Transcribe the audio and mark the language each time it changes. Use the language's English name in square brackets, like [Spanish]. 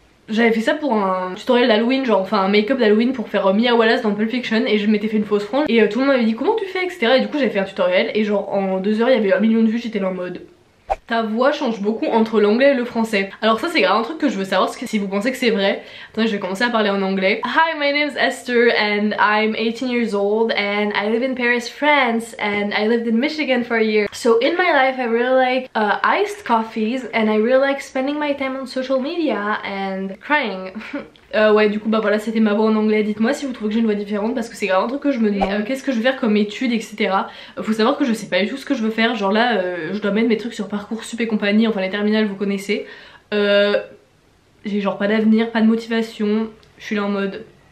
[French] J'avais fait ça pour un tutoriel d'Halloween, genre enfin un make-up d'Halloween pour faire Mia Wallace dans Pulp Fiction et je m'étais fait une fausse frange et tout le monde m'avait dit comment tu fais etc. Et du coup j'avais fait un tutoriel et genre en 2 heures il y avait 1 million de vues, j'étais là en mode Ta voix change beaucoup entre l'anglais et le français. Alors ça c'est grave un truc que je veux savoir, si vous pensez que c'est vrai. Attendez, je vais commencer à parler en anglais. [English] Hi, my name is Esther and I'm 18 years old and I live in Paris, France and I lived in Michigan for a year. So in my life I really like iced coffees and I really like spending my time on social media and crying. [French] Ouais, du coup bah voilà, c'était ma voix en anglais. Dites-moi si vous trouvez que j'ai une voix différente, parce que c'est grave un truc que je me demande. Qu'est-ce que je veux faire comme études, etc. Faut savoir que je sais pas du tout ce que je veux faire. Genre là, je dois mettre mes trucs sur Parcoursup et compagnie, enfin les terminales vous connaissez. J'ai genre pas d'avenir, pas de motivation. Je suis là en mode...